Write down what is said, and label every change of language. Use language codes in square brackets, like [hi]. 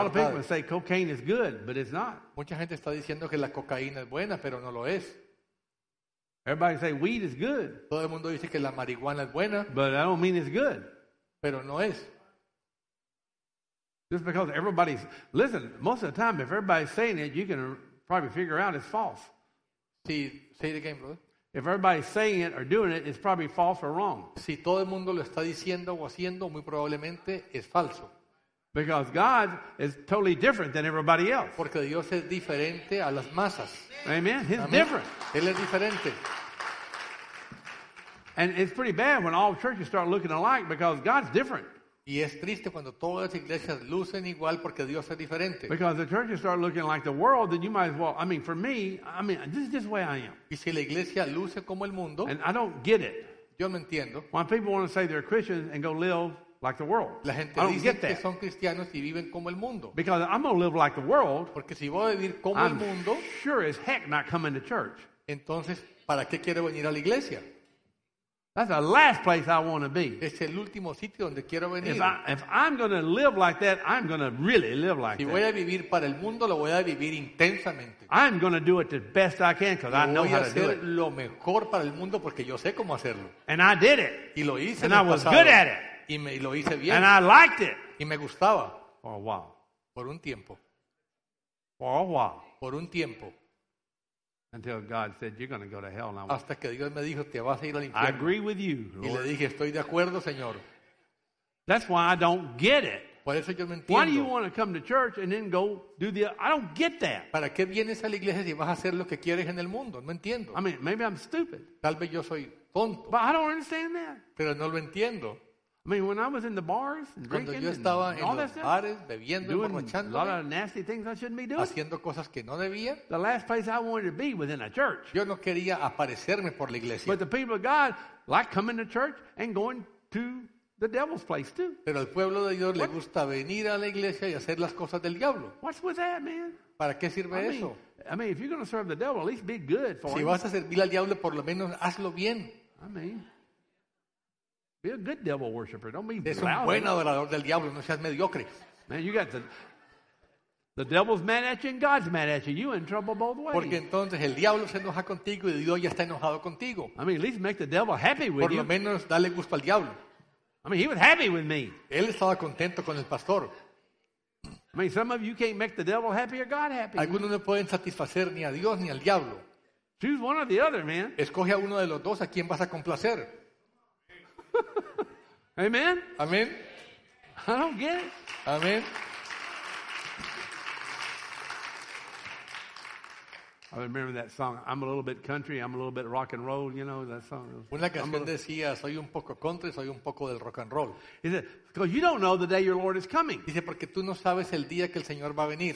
[en] A lot of people say cocaine is good, but it's not. [es] Mucha gente está diciendo que la cocaína es buena, pero no lo es. [en] Everybody say weed is good. [es] Todo el mundo dice que la marihuana es buena. [en] But that don't mean it's good. [es] Pero no es. [en] Just because everybody's, listen, most of the time, if everybody's saying it, you can probably figure out it's false. Sí, say it again, brother. If everybody's saying it or doing it, it's probably false or wrong. [es] Si todo el mundo lo está diciendo o haciendo, muy probablemente es falso. [en] Because God is totally different than everybody else. [es] Porque Dios es diferente a las masas. [en] Amen. He's different. [es] Él es diferente. [en] And it's pretty bad when all churches start looking alike because God's different. [es] Y es triste cuando todas las iglesias lucen igual porque Dios es diferente. [en] Because the churches start looking like the world, then you might as well, I mean, for me, I mean, this is just the way I am. [es] Y si la iglesia luce como el mundo, [en] and I don't get it. [es] Yo no entiendo. [en] When people want to say they're Christians and go live like the world. [es] La gente dice que son cristianos y viven como el mundo. [en] Because I'm going to live like the world, [es] porque si voy a vivir como [en] I'm [es] el mundo, [en] sure as heck not coming to church. [es] Entonces, ¿para qué quiero venir a la iglesia? [en] That's the last place I want to be. [es] Es el último sitio donde quiero venir. [en] If I'm going to live like that, I'm going to really live like that. [es] Si voy a vivir para el mundo, lo voy a vivir intensamente. [en] I'm going to do it the best I can because I know how to do it. [es] Voy a hacer lo mejor para el mundo porque yo sé cómo hacerlo. [en] And I did it. [es] Y lo hice. [en] And I was good at it. [es] Y lo hice bien. [en] And I liked it. [es] Y me gustaba. [en] For a while. [es] Por un tiempo. [en] For a while. [es] Por un tiempo. [en] Until God said, "You're going to go to hell." And I went, [es] hasta que Dios me dijo, "Te vas a ir al infierno." [en] I agree with you, Lord. [es] Y le dije, "Estoy de acuerdo, Señor." [en] That's why I don't get it. [es] Por eso yo me entiendo. [en] Why do you want to come to church and then go do the? I don't get that. [es] ¿Para qué vienes a la iglesia si vas a hacer lo que quieres en el mundo? No entiendo. [en] I mean, maybe I'm stupid. [es] Tal vez yo soy tonto. [en] But I don't understand that. [es] Pero no lo entiendo. [en] I mean, when I was in the bars, [es] cuando yo estaba en los bares bebiendo y borrachando, [en] a lot of nasty things I shouldn't be doing, [es] haciendo cosas que no debía. [en] The last place I wanted to be was in a church. [es] Yo no quería aparecerme por la iglesia. [en] But the people of God like coming to church and going to the devil's place too. [es] Pero al pueblo de Dios le gusta venir a la iglesia y hacer las cosas del diablo. [en] What's with that, man? [es] ¿Para qué sirve eso? [en] I mean, if you're going to serve the devil, at least be good for [es] si [en] him. [es] Si vas a servir al diablo, por lo menos hazlo bien. [en] I mean. Be a good devil worshipper. Don't be loud. [es] Es un buen adorador del diablo. No seas mediocre. [en] Man, you got the devil's mad at you and God's mad at you. You in trouble both ways. [es] Porque entonces el diablo se enoja contigo y Dios ya está enojado contigo. [en] I mean, at least make the devil happy with you. [es] Por lo menos dale gusto al diablo. [en] I mean, he was happy with me. [es] Él estaba contento con el pastor. [en] I mean, some of you can't make the devil happy or God happy. [es] Algunos no pueden satisfacer ni a Dios ni al diablo. [en] Choose one or the other, man. [es] Escoge a uno de los dos. ¿A quién vas a complacer? [en] Amen. [es] Amen. [en] I don't get it. Amen. I remember that song. I'm a little bit country. I'm a little bit rock and roll. You know that song. [es] Una canción decía, soy un poco country, soy un poco del rock and roll. [en] He said, because you don't know the day your Lord is coming. [es] Dice porque tú no sabes el día que el Señor va a venir.